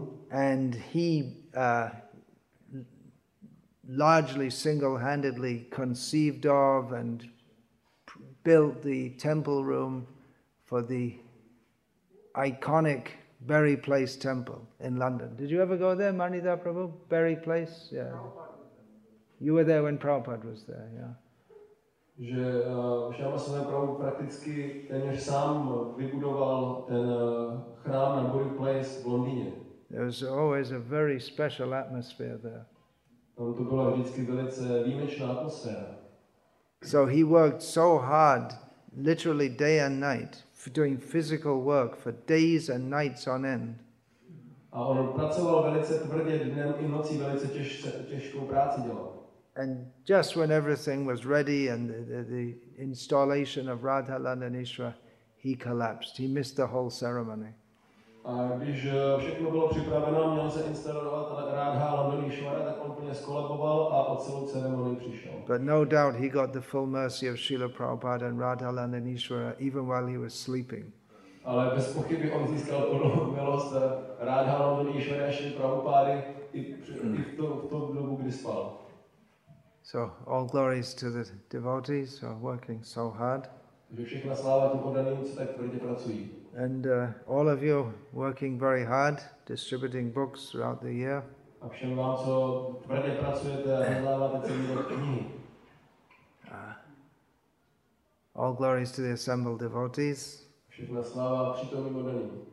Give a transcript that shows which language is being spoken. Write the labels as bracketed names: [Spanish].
[English] And he largely single-handedly conceived of and built the temple room for the iconic Berry Place Temple in London. Did you ever go there, Manidhar Prabhu? Berry Place? Yeah. You were there when Prabhupada was there, yeah. [Czech] Že Shyamasundara Prabhu prakticky téměř sám vybudoval ten chrám na Berry Place v Londýně. [English] There was always a very special atmosphere there. [Czech] Tam to byla vždycky velice výjimečná atmosféra. [English] So he worked so hard, literally day and night, doing physical work for days and nights on end. [Czech] A on pracoval velice tvrdě dnem i nocí, velice těžkou práci dělal. [English] And just when everything was ready and the installation of Radha Landanishwara, he collapsed. He missed the whole ceremony. [Czech] A když všechno bylo připraveno, měl se instalovat Radha Landanishwara, tak on úplně skolaboval a o celou ceremonii přišel. [English] But no doubt he got the full mercy of Srila Prabhupada and Radha Landanishwara even while he was sleeping. [Czech] Ale bez pochyby on získal plnou milost Radha Landanishwara a Srila Prabhupada i v tom dobu, kdy spal. [English] So all glories to the devotees who are working so hard. [Czech] Všechna sláva těm oddaným, co tak tvrdě pracují. [English] And all of you working very hard, distributing books throughout the year. [Czech] A všem vám, co tvrdě pracujete a rozdáváte celý rok knihy. [English] All glories to the assembled devotees. [Czech] Všechna sláva přítomným oddaným.